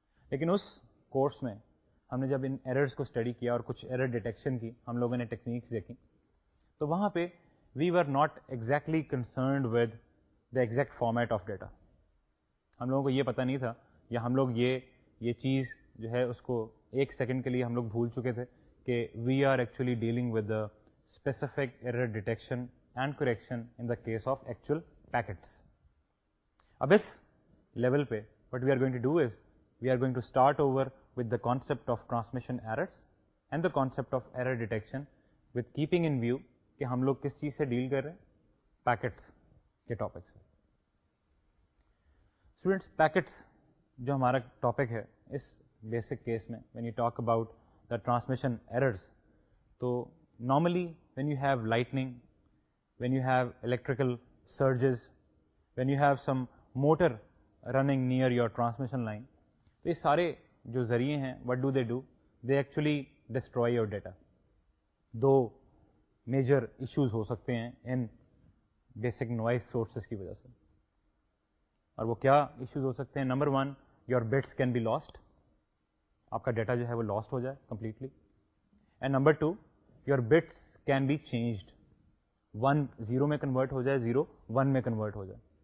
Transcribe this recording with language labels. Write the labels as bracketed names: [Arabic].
[Urdu] لیکن اس کورس میں ہم نے جب ان ایررس کو اسٹڈی کیا اور کچھ ایرر ڈیٹیکشن کی ہم لوگوں نے ٹیکنیکس دیکھیں, تو وہاں پہ [English] We were not exactly concerned with the exact format of data. [Urdu] ہم لوگوں کو یہ پتہ نہیں تھا, یا ہم لوگ یہ چیز جو ہے اس کو ایک سیکنڈ کے لیے ہم لوگ بھول چکے تھے کہ [English] We are actually dealing with the specific error detection and correction in the case of actual packets. Ab is level pe what we are going to do is we are going to start over with the concept of transmission errors and the concept of error detection with keeping in view [Urdu] ke hum log kis cheez se deal kar rahe packets ke topics. [English] Students, [Urdu] packets jo hamara topic hai is basic case mein, [English] when you talk about the transmission errors, to normally when you have lightning, when you have electrical surges, when you have some motor running near your transmission line, [Urdu] تو یہ سارے جو ذریعے ہیں, [English] what do they do? They actually destroy your data. [Urdu] Do major issues ہو سکتے ہیں ان basic noise sources کی وجہ سے. اور وہ کیا issues ہو سکتے ہیں؟ [English] Number one, your bits can be lost. [Urdu] آپ کا ڈیٹا جو ہے وہ لاسٹ ہو جائے completely. [English] and number two, your bits can be changed, [Urdu] one zero میں کنورٹ ہو جائے, زیرو ون میں کنورٹ ہو جائے.